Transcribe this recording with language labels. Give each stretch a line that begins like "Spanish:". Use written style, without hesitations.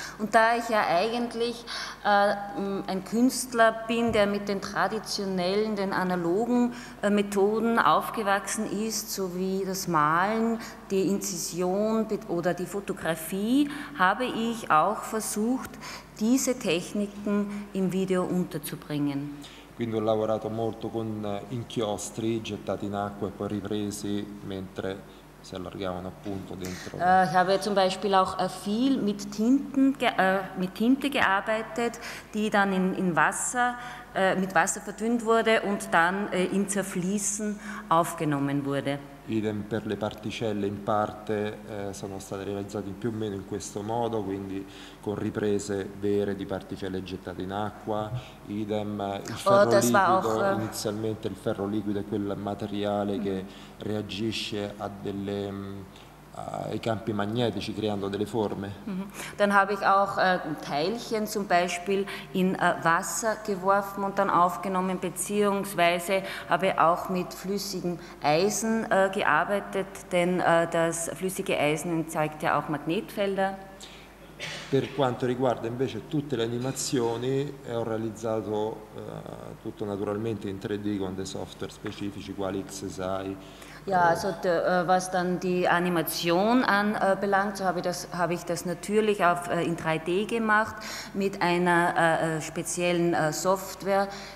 German: Und da ich ja eigentlich ein Künstler bin, der mit den traditionellen, den analogen Methoden aufgewachsen ist, so wie das Malen, die Inzision oder die Fotografie, habe ich auch versucht, diese Techniken im Video unterzubringen.
Italian: Quindi ho lavorato molto con inchiostri gettati in acqua e poi ripresi mentre si allargavano appunto dentro.
German: Ich habe zum Beispiel auch viel mit Tinten mit Tinte gearbeitet, die dann in Wasser mit Wasser verdünnt wurde und dann im Zerfließen aufgenommen wurde.
Italian: Idem per le particelle, in parte sono state realizzate più o meno in questo modo, quindi con riprese vere di particelle gettate in acqua. Idem il ferro liquido, inizialmente il ferro liquido è quel materiale che reagisce a delle ai campi magnetici creando delle forme.
German: Dann habe ich auch Teilchen zum Beispiel in Wasser geworfen und dann aufgenommen, beziehungsweise habe auch mit flüssigem Eisen gearbeitet, denn das flüssige Eisen zeigt ja auch Magnetfelder.
Italian: Per quanto riguarda invece tutte le animazioni, ho realizzato tutto naturalmente in 3D con dei software specifici quali XSI.
German: Ja, also was dann die Animation anbelangt, so habe ich das natürlich auf in 3D gemacht mit einer speziellen Software